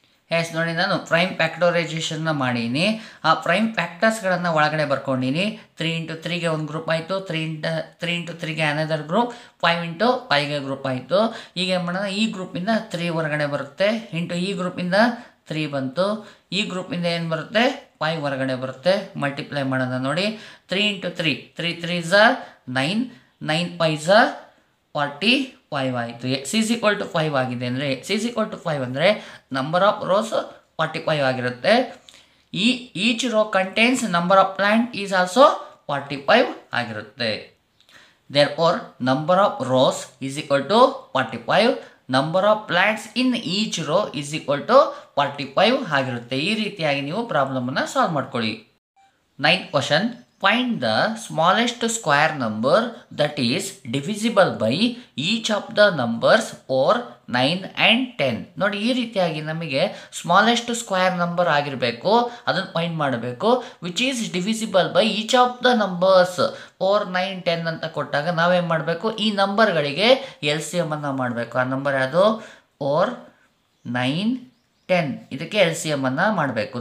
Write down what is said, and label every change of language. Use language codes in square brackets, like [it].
[kn] S ನೋಡಿ, ನಾನು prime ಫ್ಯಾಕ್ಟೋರೈಜೇಷನ್ನ ಮಾಡಿದ್ದೀನಿ, ಆ ಪ್ರೈಮ್ ಫ್ಯಾಕ್ಟರ್ಸ್ಗಳನ್ನು ಒಳಗಡೆ ಬರ್ಕೊಂಡಿನಿ. 3x3 ಒಂದು ಗ್ರೂಪ್ ಆಯಿತು, 3x3 another group, 5x5 group ಆಯಿತು. ಈಗ ಏನು ಮಾಡೋಣ, ಈ ಗ್ರೂಪಿಂದ 3 ಹೊರಗಡೆ ಬರುತ್ತೆ, ಇಂಟು ಈ ಗ್ರೂಪಿಂದ 3 ಬಂತು, ಈ ಗ್ರೂಪಿಂದ ಏನು ಬರುತ್ತೆ, 5 ಹೊರಗಡೆ ಬರುತ್ತೆ. ಮಲ್ಟಿಪ್ಲೈ ಮಾಡೋಣ ನೋಡಿ, 3x3 3x3 is 9, 9x5 is 45 ಆಯಿತು. [en] x is equal to 5 [kn] ಆಗಿದೆ ಅಂದರೆ, [en] x is equal to 5 [kn] ಅಂದರೆ [en] number of rows 45 [kn] ಆಗಿರುತ್ತೆ. [en] each row contains number of plant is also 45 [kn] ಆಗಿರುತ್ತೆ. [en] therefore number of rows is equal to 45, number of plants in each row is equal to 45 [kn] ಆಗಿರುತ್ತೆ. ಈ ರೀತಿಯಾಗಿ ನೀವು ಪ್ರಾಬ್ಲಮನ್ನು solve ಮಾಡ್ಕೊಳ್ಳಿ. [en] 9th question, Find the smallest square number that is divisible by each of the numbers 4, 9 and 10. [kn] ನೋಡಿ ಈ ರೀತಿಯಾಗಿ ನಮಗೆ smallest square number ಆಗಿರಬೇಕು, ಅದನ್ನ ಫೈಂಡ್ ಮಾಡಬೇಕು. [en] which is divisible by each of the numbers 4, 9, 10 [kn] ಅಂತ ಕೊಟ್ಟಾಗ ನಾವೇನ್ ಮಾಡಬೇಕು, ಈ ನಂಬರ್ಗಳಿಗೆ ಎಲ್ಸಿಎಂ ಅನ್ನು ಮಾಡಬೇಕು. ಆ ನಂಬರ್ ಯಾವುದು? 4, 9, 10. ಇದಕ್ಕೆ ಎಲ್ಸಿಎಂ ಅನ್ನು ಮಾಡಬೇಕು.